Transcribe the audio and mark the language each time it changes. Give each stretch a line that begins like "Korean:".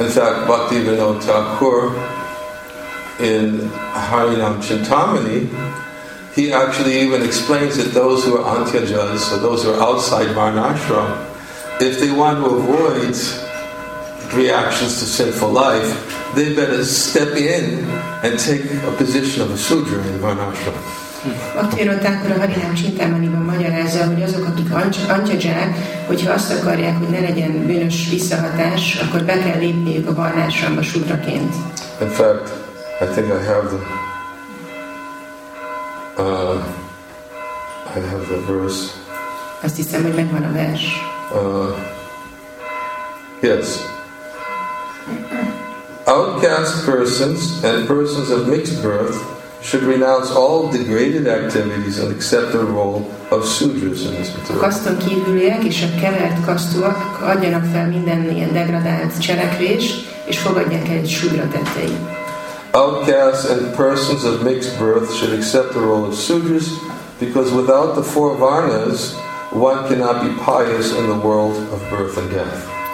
English: In fact, Bhaktivinoda Thakur in Harinam Chintamani, he actually even explains that those who are antyajas, so those who are outside Varnashram, if they want to avoid reactions to sinful life, they better step in and take a position of a sudra in Varnashram.
Hungarian: Ott akkor a Harinám Csintámaniban magyarázza, hogy azok, akik antyajak, hogyha azt akarják, hogy ne legyen bűnös visszahatás, akkor be kell lépniük a Varnashramba sudraként.
English: In fact, I think I have the I have the verse.
Hungarian: Azt hiszem, hogy megvan a vers.
English: Yes. Outcast persons and persons of mixed birth should renounce all degraded activities and accept the role of sudras in this material.
Hungarian: A kaszton kívüliek és a kevert kasztúak adjanak fel minden ilyen degradált cselekvést, és fogadják el egy sudra tetteit.
English: Outcasts and persons of mixed birth should accept the role of sudras, because without the four varnas, one cannot be pious in the world of birth and death.